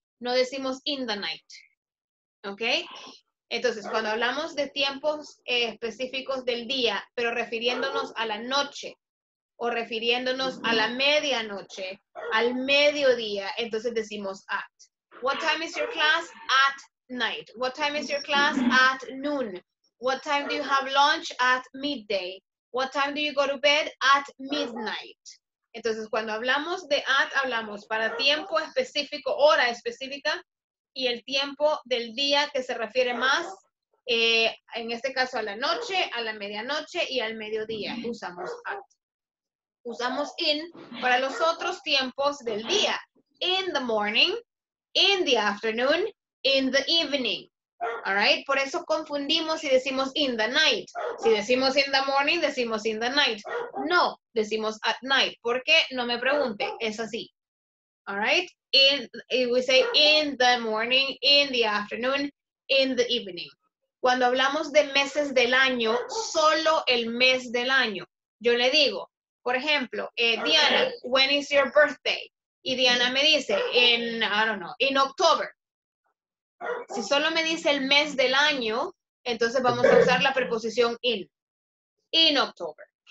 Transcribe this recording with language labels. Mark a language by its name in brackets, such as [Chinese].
[Spanish] No decimos [English] in the night. [Spanish] ¿Ok? Entonces, cuando hablamos de tiempos específicos del día, pero refiriéndonos a la noche, o refiriéndonos a la medianoche, al mediodía, entonces decimos at. [English] What time is your class? At night. What time is your class? At noon. What time do you have lunch? At midday. What time do you go to bed? At midnight. [Spanish] Entonces, cuando hablamos de at, hablamos para tiempo específico, hora específica, y el tiempo del día que se refiere más, en este caso a la noche, a la medianoche y al mediodía, usamos at. Usamos in para los otros tiempos del día. [English] In the morning, in the afternoon, in the evening. All right? [Spanish] Por eso confundimos y decimos in the night. Si decimos [English] in the morning, [Spanish] decimos [English] in the night. [Spanish] No, decimos [English] at night. [Spanish] ¿Por qué? No me pregunte. Es así. [English] All right? We say in the morning, in the afternoon, in the evening. [Spanish] Cuando hablamos de meses del año, solo el mes del año. Yo le digo, por ejemplo, Diana, [English] when is your birthday? [Spanish] Y Diana me dice, [English] in October. [Spanish] Si solo me dice el mes del año, entonces vamos a usar la preposición in October.